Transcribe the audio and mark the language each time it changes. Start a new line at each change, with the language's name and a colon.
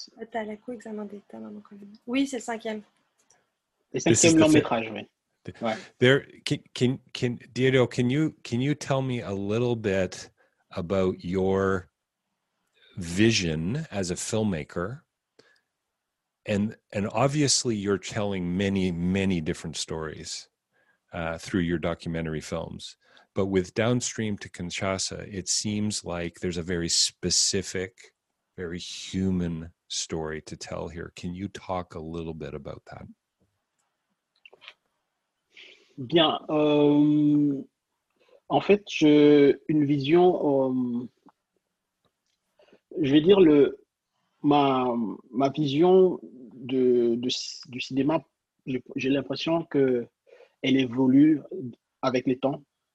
French: T'as la coup examen des talents, mon collègue. Oui, c'est le cinquième.
English: Can you tell me a little bit about your vision as a filmmaker? And obviously you're telling many, many different stories through your documentary films. But with Downstream to Kinshasa, it seems like there's a very specific, very human story to tell here. Can you talk a little bit about that?
French: Bien, en fait, j'ai une vision, je vais dire, ma vision du cinéma, j'ai l'impression qu'elle évolue avec le temps.